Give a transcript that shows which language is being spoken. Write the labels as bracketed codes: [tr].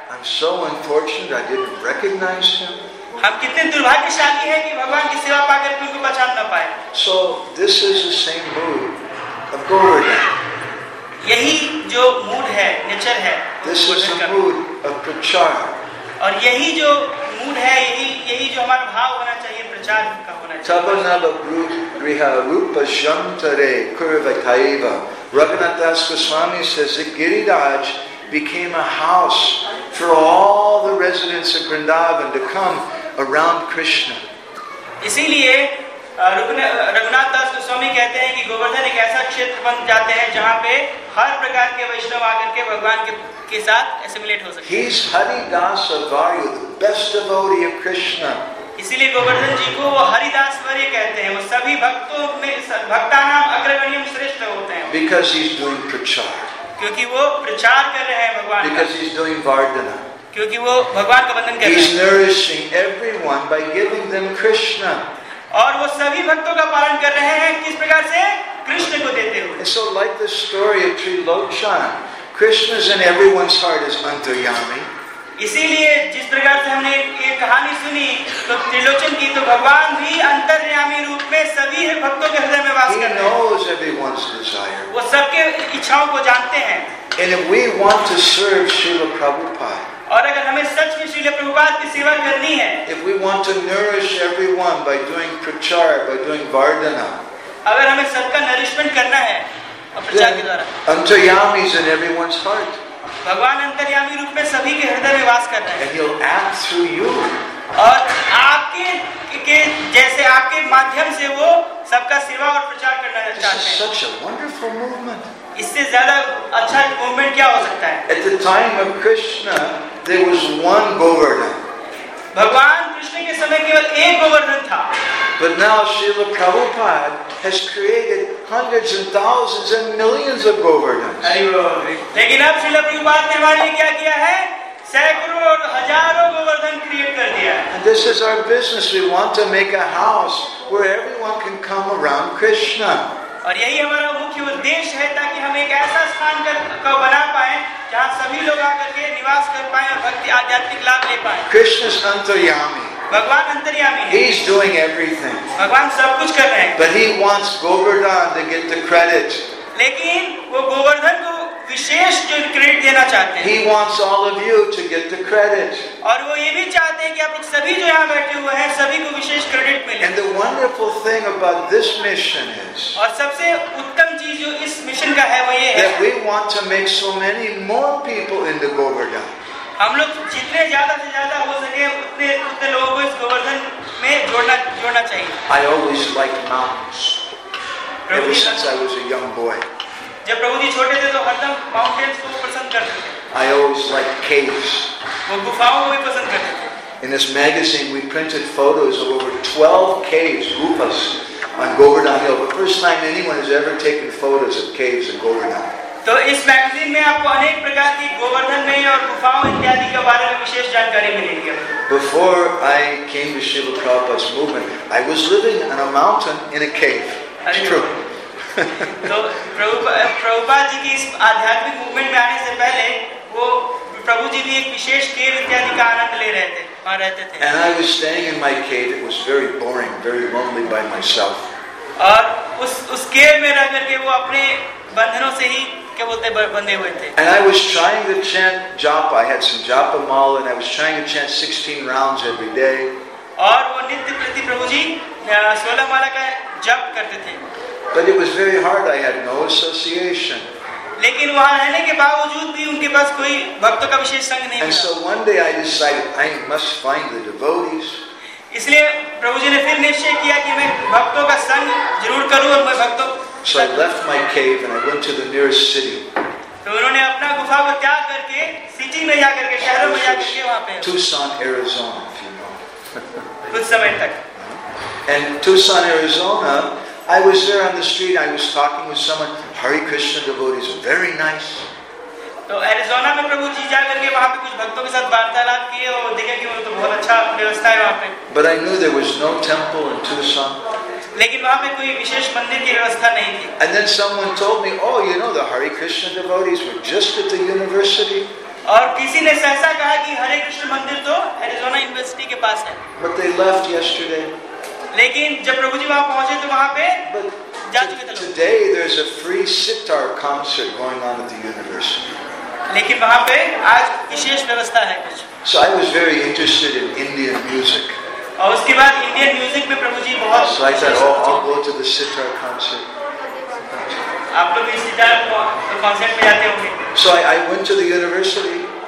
[en] I'm so unfortunate I didn't recognize him. [hi] हम कितने दुर्भाग्यशाली हैं कि भगवान की सेवा पाकर भी उनको पहचान न पाए. [en] So this is the same mood of Govardhan. [hi] यही जो मूड है, नेचर है. [en] This is the mood of Prachar. [hi] और यही जो मूड है, यही जो हमारा भाव होना चाहिए प्रचार का. [sa] Chabanala Bruj Griha Rupa Shantare Kurva Taiva. [en] Raghunath Das Goswami says that Giridhar became a house for all the residents of Vrindavan to come around Krishna. [hi] इसीलिए रघुनाथ दास गोस्वामी कहते हैं कि गोवर्धन एक ऐसा क्षेत्र बन जाते हैं जहाँ पे हर प्रकार के वैष्णव आकर के भगवान के साथ assimilate हो सकते [en] हैं. He's Hari Das Avaryu, the best devotee of Krishna. [hi] इसीलिए गोवर्धन जी को वो हरिदास वर्य कहते हैं, वो सभी भक्तों में भक्तानाम अग्रगण्यम श्रेष्ठ होते हैं. [en] Because he's doing prachar. [hi] क्योंकि वो प्रचार कर रहे हैं भगवान का. [en] Because he's doing vardana. [hi] क्योंकि वो भगवान का वंदन कर रहे हैं. [en] He's nourishing everyone by giving them Krishna. [hi] और वो सभी भक्तों का पालन कर रहे हैं किस प्रकार से कृष्ण को देते हुए. [en] So like the story of Trilokshan, Krishna's in everyone's heart is antaryami. [hi] इसीलिए जिस प्रकार से हमने ये कहानी सुनी तो त्रिलोचन की, तो भगवान भी अंतर्यामी रूप में सभी भक्तों के हृदय में वास करते हैं. वो सबके इच्छाओं को जानते हैं. [en] And if we want to serve Srila Prabhupada, [hi] और अगर हमें सच में श्रील प्रभुपाद की सेवा करनी है, [en] if we want to nourish everyone by doing prachar, by doing vardana, [hi] अगर हमें सबका नरिशमेंट करना है प्रचार के द्वारा, [en] Antaryami is in everyone's heart. [hi] भगवान अंतर्यामी रूप में सभी के हृदय में वास करते हैं. [en] And he'll act through you. [hi] और आपके के जैसे आपके माध्यम से वो सबका सेवा और प्रचार करना चाहते हैं. [en] Such a wonderful movement. [hi] इससे ज्यादा अच्छा मूवमेंट क्या हो सकता है. [en] At the time of Krishna, there was one Govardhan. [hi] भगवान कृष्ण के समय केवल एक गोवर्धन था. [en] But now Srila Prabhupada has created hundreds and thousands and millions of Govardhans. [hi] लेकिन अब श्रील प्रभुपाद ने हमारे लिए क्या किया है, सैकड़ों और हजारों गोवर्धन क्रिएट कर दिया. [en] This is our business. We want to make a house where everyone can come around Krishna. [hi] और यही हमारा मुख्य उद्देश्य है, ताकि हम एक ऐसा स्थान को बना पाए जहाँ सभी लोग आकर के निवास कर पाए और भक्ति आध्यात्मिक लाभ ले पाए. कृष्ण अंतर्यामी, भगवान अंतर्यामी [en] है. He's doing everything. [hi] भगवान सब कुछ कर रहे हैं. [en] But he wants Govardhan to get the credit. [hi] लेकिन वो गोवर्धन को विशेष जो क्रेडिट देना चाहते हैं. [en] He wants all of you to get the credit. [hi] और वो ये भी चाहते हैं कि आप लोग सभी जो यहाँ बैठे हुए हैं सभी को विशेष क्रेडिट मिले. [en] And the wonderful thing about this mission is. [hi] और सबसे उत्तम चीज जो इस मिशन का है वो ये है. [en] That we want to make so many more people into Govardhan. [hi] हम लोग जितने ज्यादा से ज्यादा हो सके उतने उतने लोगों को इस गोवर्धन में जोड़ना चाहिए. [en] I always liked mountains. Ever since I was a young boy. [hi] जब प्रभु जी छोटे थे तो हरदम माउंटेन्स को पसंद करते थे. [en] I always liked caves. [hi] वो गुफाओं को भी पसंद करते थे. [en] In this magazine we printed photos of over 12 caves, gufas, on Govardhan Hill. The first time anyone has ever taken photos of caves in Govardhan. [hi] तो इस मैगजीन में आपको अनेक प्रकार की गोवर्धन में और गुफाओं इत्यादि के बारे में विशेष जानकारी मिलेगी. [en] Before I came to Srila Prabhupada's movement, I was living on a mountain in a cave. True. [hi] तो प्रभुपाद जी की इस आध्यात्मिक मूवमेंट में आने से पहले वो प्रभु जी भी एक विशेष केव इत्यादि का आनंद ले रहे थे, वहां रहते थे. [en] And I was staying in my cave. It was very boring, very lonely by myself. [hi] और उस केव में रह करके वो अपने बंधनों से ही क्या बोलते बंधे हुए थे. [en] And I was trying to chant japa. I had some japa mala and I was trying to chant 16 rounds every day. [hi] और वो नित्य प्रति प्रभु जी 16 माला का जप करते थे. [en] But it was very hard. I had no association. [hi] लेकिन वहां रहने के बावजूद भी उनके पास कोई भक्तों का विशेष संग नहीं था. [en] And so one day I decided I must find the devotees. [hi] इसलिए प्रभु जी ने फिर निश्चय किया कि मैं भक्तों का संग जरूर करूं और मैं भक्तों. [en] So I left my cave and I went to the nearest city. [hi] तो उन्होंने अपना गुफा को त्याग करके सिटी में जाकर के शहरों में जाकर के वहां पे [en] Tucson, Arizona, if you know. [hi] कुछ समय तक. [en] And Tucson, Arizona, I was there on the street. I was talking with someone. Hare Krishna devotees, very nice. [hi] तो एरिजोना में प्रभु जी जाकर के वहां पे कुछ भक्तों के साथ वार्तालाप किए और देखे कि वो तो बहुत अच्छा व्यवस्था है वहां पे. [en] But I knew there was no temple in Tucson. [hi] लेकिन वहां पे कोई विशेष मंदिर की व्यवस्था नहीं थी. [en] And then someone told me, oh, you know, the Hare Krishna devotees were just at the university. [hi] और किसी ने ऐसा कहा कि हरे कृष्ण मंदिर तो एरिजोना यूनिवर्सिटी के पास है. [en] But they left yesterday. [hi] लेकिन जब प्रभु जी वहां पहुंचे तो वहां पे जा चुके थे. [en] Today there is a free sitar concert going on at the university. [hi] लेकिन वहां पे आज विशेष व्यवस्था है कुछ. [en] So I was very interested in Indian music. [hi] और उसके बाद इंडियन म्यूजिक में प्रभु जी बहुत. [en] So I said, oh, I'll go to the sitar concert. [hi] आप लोग इस सितार कॉन्सर्ट में जाते होंगे. [en] So I went to the university.